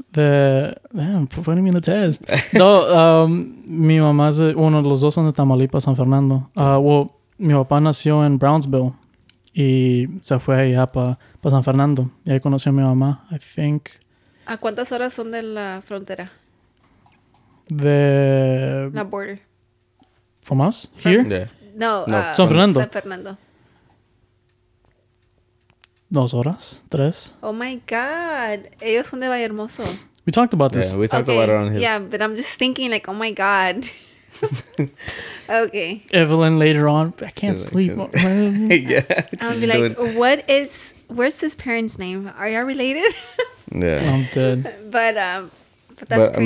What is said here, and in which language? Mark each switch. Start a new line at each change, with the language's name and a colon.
English: Damn, putting me in the test.
Spanish: No, mi mamá es... Bueno, los dos son de Tamaulipas, San Fernando. Mi papá nació en Brownsville. Y se fue allá para pa San Fernando. Y ahí conoció a mi mamá,
English: I think.
Spanish: ¿A cuántas horas son de la frontera? De... La border.
English: ¿From us? Here? Yeah.
Spanish: No, no. San Fernando. San Fernando. 2 horas, 3.
English: Oh my God.
Spanish: Ellos son de Vallehermoso.
English: We talked about this. Yeah, we talked about it on here. Yeah, but I'm just thinking like, oh my God. Okay. Evelin later on, I can't sleep. Yeah. I'll be like, where's his parents' name? Are y'all related? Yeah. I'm dead. But crazy.